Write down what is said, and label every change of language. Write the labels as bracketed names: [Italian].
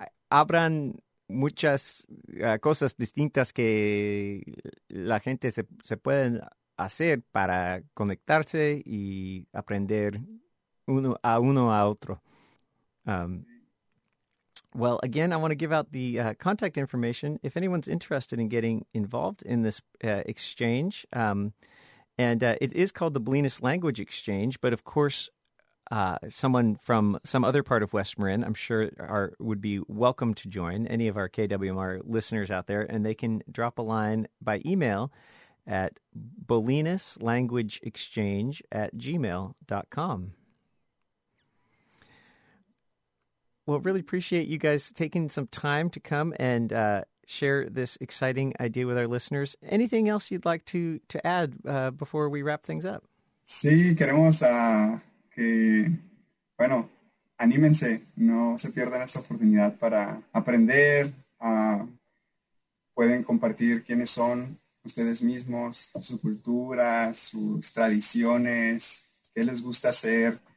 [Spanish] Habrán muchas cosas distintas que la gente se pueden hacer para conectarse y aprender uno a otro. [English] Well, again, I want to give out the contact information if anyone's interested in getting involved in this exchange. And it is called the Bolinas Language Exchange, but of course, someone from some other part of West Marin, I'm sure, would be welcome to join, any of our KWMR listeners out there, and they can drop a line by email at bolinaslanguageexchange@gmail.com. Well, really appreciate you guys taking some time to come and share this exciting idea with our listeners. Anything else you'd like to add before we wrap things up? [Spanish] Sí, queremos que, bueno, anímense, no se pierdan esta oportunidad para aprender, pueden compartir quiénes son ustedes mismos, su cultura, sus tradiciones, qué les gusta hacer.